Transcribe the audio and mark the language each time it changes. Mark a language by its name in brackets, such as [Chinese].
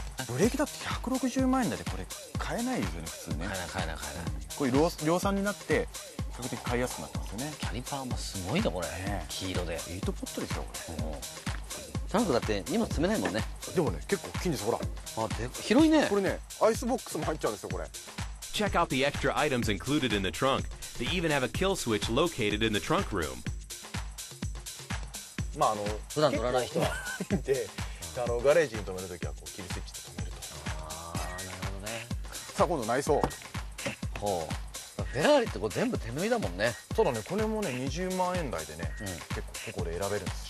[Japanese] ブレーキだって160万円だって。これ買えないですよね、普通ね。買えないこれ量産になって比較的買いやすくなってますよね。キャリパーもすごいな、これ、黄色でエイトポットですよ、これ。タンクだって荷物詰めないもんね。でもね、結構大きいんですよ、ほら。あ、で、広いね。これね、アイスボックスも入っちゃうんですよ、これ。 [English] Check out the extra items included in the trunk. They even have a kill switch located in the trunk room. [Japanese] まあ、普段乗らない人は。で、ガレージに止めるときはこう、キルスイッチで止めると。ああ、なるほどね。さあ、今度内装。ほう。フェラーリってこれ全部手縫いだもんね。そうだね、これもね20万円台でね、結構ここで選べるんです。